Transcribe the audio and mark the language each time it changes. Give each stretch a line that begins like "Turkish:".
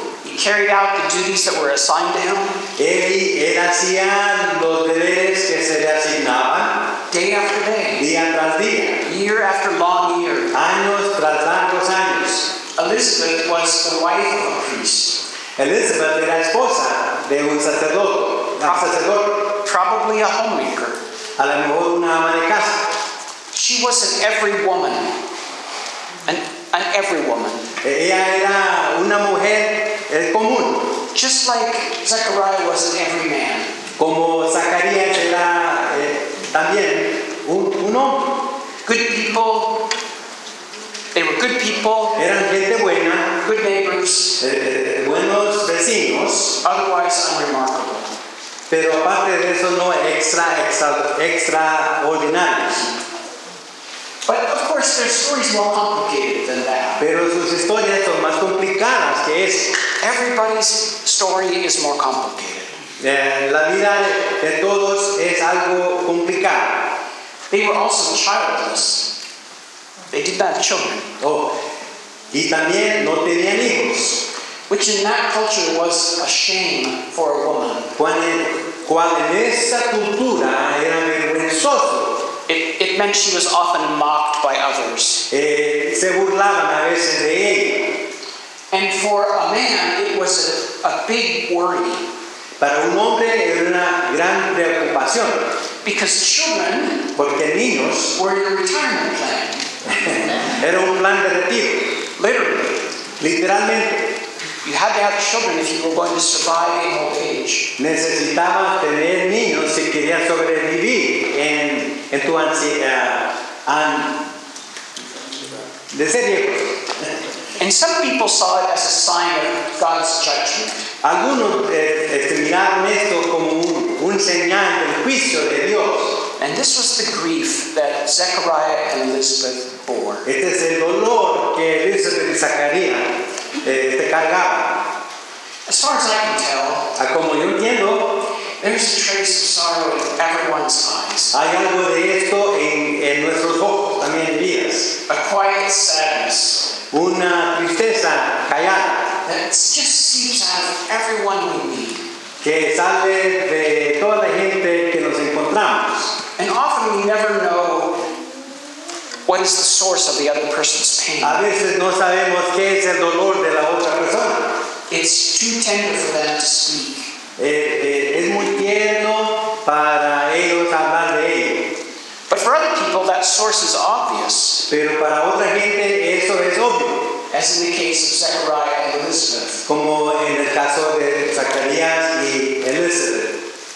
English: He carried out the duties that were assigned to him.
Spanish: Él hacía los deberes que se le asignaban.
English: Day after day.
Spanish: Día tras día.
English: Year after long year.
Spanish: Años tras largos años.
English: Elizabeth was the wife of a priest.
Spanish: Elizabeth era esposa de un sacerdote.
English: Probably a homemaker.
Spanish: A lo mejor una ama de casa.
English: She was an every woman. An every woman.
Spanish: Ella era una mujer común.
English: Just like Zechariah was an every man.
Spanish: Como Zacarías era también un hombre.
English: Good people. They were good people.
Spanish: Eran gente buena.
English: Good neighbors.
Spanish: Buenos vecinos.
English: Otherwise unremarkable.
Spanish: Pero aparte de eso no extraordinarios.
English: But of course, their stories are more complicated than that.
Spanish: Pero sus historias son más complicadas que eso.
English: Everybody's story is more complicated.
Spanish: La vida de todos es algo complicado.
English: They were also childless. They did not have children.
Spanish: Oh. Y también no tenían hijos.
English: Which in that culture was a shame for a woman.
Spanish: Cuál en esa cultura era vergonzoso.
English: It meant she was often mocked by others.
Spanish: Se burlaban a veces de ella.
English: And for a man, it was a big worry.
Spanish: Para un hombre era una gran preocupación.
English: Because children,
Spanish: porque niños,
English: were your retirement plan.
Spanish: Era un plan de retiro. Literalmente.
English: You had to have children if you were going to survive in old age.
Spanish: Necesitaba tener niños si quería sobrevivir en tu ansiedad. De ser viejo.
English: And some people saw it as a sign of God's judgment.
Spanish: Algunos miraron esto como un señal del juicio de Dios.
English: And this was the grief that Zechariah and Elizabeth bore.
Spanish: Este es el dolor que Elizabeth y Zacarías.
English: As far as I can tell,
Spanish: a como yo entiendo,
English: there's a trace of sorrow in everyone's eyes.
Spanish: Hay algo de esto en nuestros ojos también en días.
English: A quiet sadness.
Spanish: Una tristeza callada.
English: That just seems out of everyone we meet.
Spanish: Que sale de toda la gente que nos encontramos.
English: And often we never know what is the source of the other person's pain?
Spanish: A veces no sabemos qué es el dolor de la otra persona.
English: It's too tender for them to speak.
Spanish: Es muy tierno para ellos hablar de ello.
English: But for other people, that source is obvious.
Spanish: Pero para otra gente eso es obvio.
English: As in the case of Zechariah and Elizabeth.
Spanish: Como en el caso de Zacarías y Elizabeth.